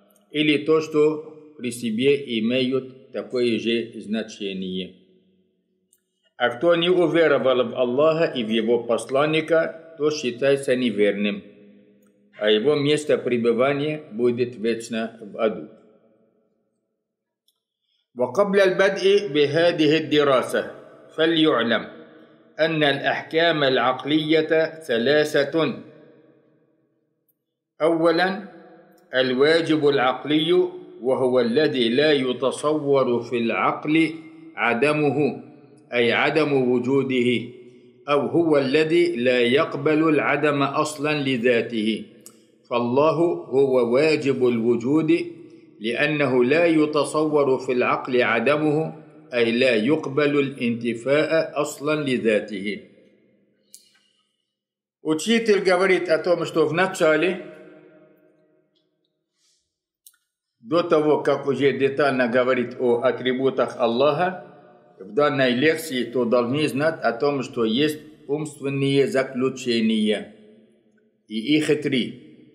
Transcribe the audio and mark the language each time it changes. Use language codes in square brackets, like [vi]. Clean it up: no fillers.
[ru] Или то, что при себе имеют такое же значение. А кто не уверовал в Аллаха и в его посланника, то считается неверным, а его место пребывания будет вечно в аду. [ar] وقبل البدء بهذه الدراسة فليعلم أن الأحكام العقلية ثلاثة أولا الواجب العقلي وهو الذي لا يتصور في العقل عدمه أي عدم وجوده أو هو الذي لا يقبل العدم أصلا لذاته فالله هو واجب الوجود لأنه لا يتصور في العقل عدمه أي لا يقبل الانتفاء أصلا لذاته. [ru] Учитель говорит о том, что в начале, до того, как уже детально говорит о атрибутах Аллаха, в данной лекции, то должны знать о том, что есть умственные заключения, и их три.